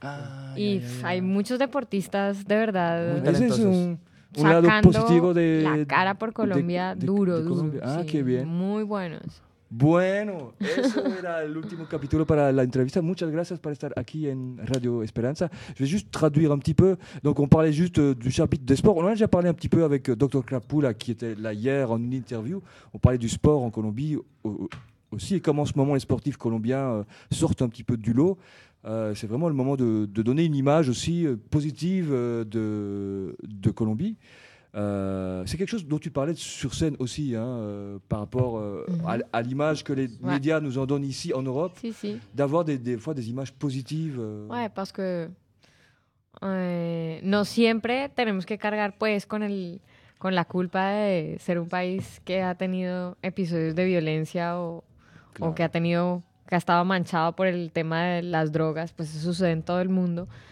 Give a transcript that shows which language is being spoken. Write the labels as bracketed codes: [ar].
[es] Ah, hay muchos deportistas, de verdad. Muy talentosos. Ese es un lado positivo de la cara por Colombia, duro. Colombia. Ah, sí, qué bien. Muy buenos. Bueno, eso era el último capítulo para la entrevista. Muchas gracias por estar aquí en Radio Esperanza. [fr] Je vais juste traduire un petit peu. Donc, on parlait juste du chapitre des sports. On a déjà parlé un petit peu avec Dr. Krapula, qui était là hier en une interview. On parlait du sport en Colombie aussi et comment en ce moment les sportifs colombiens sortent un petit peu du lot. C'est vraiment le moment de donner une image aussi positive de Colombie. C'est quelque chose dont tu parlais sur scène aussi, hein, par rapport à l'image que les médias nous en donnent ici en Europe, si. D'avoir des fois des images positives. Ouais, parce que [es] no siempre tenemos que cargar pues con la culpa de ser un país que ha tenido episodios de violencia o que ha tenido... que ha estado manchado por el tema de las drogas, pues eso sucede en todo el mundo.